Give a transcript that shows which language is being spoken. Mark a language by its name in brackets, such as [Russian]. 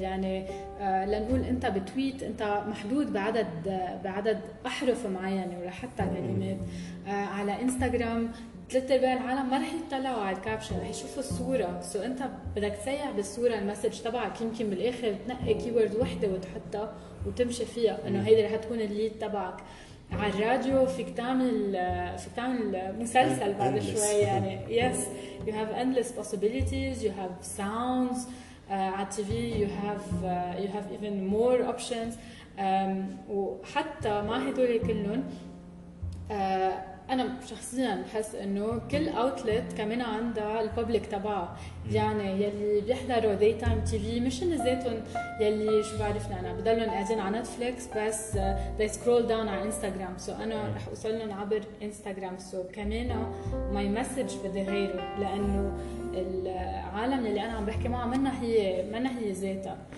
[Arabic] يعني لنقول انت بتويت انت محدود بعدد احرف معينه ولا حتى كلمات, على انستغرام ثلاث ارباع العالم ما رح يطلعوا على الكابشن, رح يشوفوا الصوره. سو انت بدك تسيع بالصوره المسج تبعك, يمكن بالاخر تنقي كيورد وحده وتحطها وتمشي فيها, انه هيدا رح تكون الليد تبعك. على الراديو فيك تعمل مسلسل بعد [English] endless. [Arabic] شوي يعني [English] yes you have endless possibilities, you have sounds, على TV you have even more options. [Arabic] وحتى مع هدول كلهم أنا شخصياً بحس إنه كل outlet كمان عندها الpublic تبعه, يعني يلي بيحضروا daytime TV مش نزاتهم يلي شو بعرفنا أنا بدلهم قاعدين على Netflix, بس [English] they scroll down [Arabic] على Instagram, so أنا رح أوصلهم عبر Instagram, so كمان [English] my message [Arabic] بدي غيره, لأنه العالم اللي أنا عم بحكي معه منها هي ذاتها.